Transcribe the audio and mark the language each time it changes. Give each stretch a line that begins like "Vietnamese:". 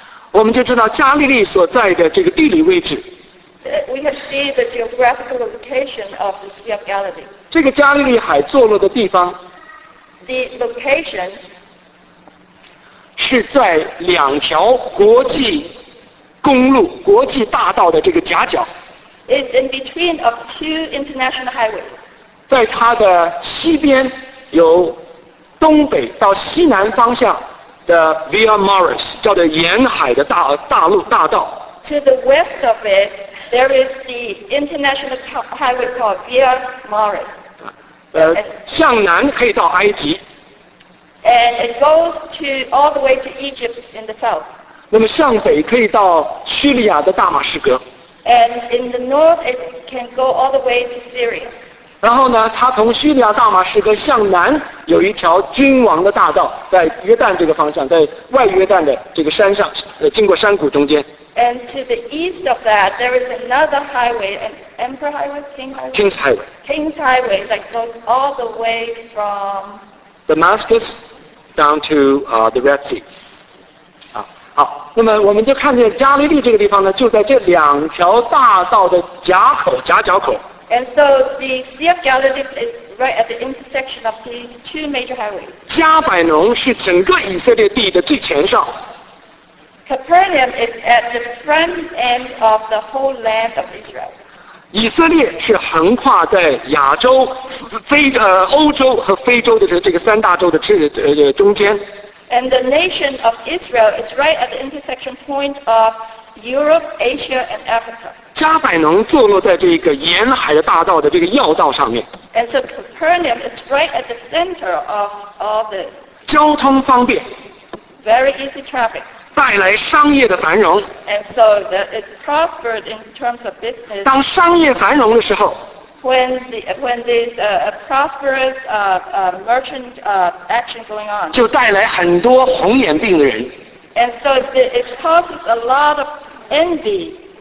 Chinese: 我们就知道加利利所在的这个地理位置。
English: We can see the geographical location of the Sea of Galilee.
Chinese: 这个加利利海坐落的地方。
English: The location
Chinese: 是在两条国际公路、国际大道的这个夹角。
English: It's in between of two international highways.
Chinese: 在它的西边有东北到西南方向 the Via Maris, 叫做沿海的 大陆大道。
English: To the west of it, there is the international highway called Via Maris.
Chinese: 向南可以到埃及。
English: And it goes to all the way to Egypt in the south.
Chinese: 那么向北可以到叙利亚的大马士革。
English: And in the north, it can go all the way to Syria.
Chinese: 然后呢，它从叙利亚大马士革向南有一条君王的大道，在约旦这个方向，在外约旦的这个山上，经过山谷中间。
English: And to the east of that, there is another highway, an emperor highway, king highway. King's highway. King's highway that goes all the way from Damascus down to the Red Sea.
Chinese: 好，那么我们就看见加利利这个地方呢，就在这两条大道的夹口、夹角口。
English: And so the Sea of Galilee is right at the intersection of these two major highways.
Chinese: 加百农是整个以色列地的最前哨。
English: Capernaum is at the front end of the whole land of Israel.
Chinese: 以色列是横跨在亚洲、欧洲和非洲的这个三大洲的中间。
English: And the nation of Israel is right at the intersection point of Europe, Asia, and Africa.
Chinese: 加百农坐落在这个沿海的大道的这个要道上面。
English: And so Capernaum is right at the center of all this.
Chinese: 交通方便。
English: Very easy traffic.
Chinese: 带来商业的繁荣。
English: And so it prospered in terms of business.
Chinese: 当商业繁荣的时候
English: When there's a prosperous merchant action going on.
Chinese: 就带来很多红眼病的人。
English: And so it causes a lot of envy.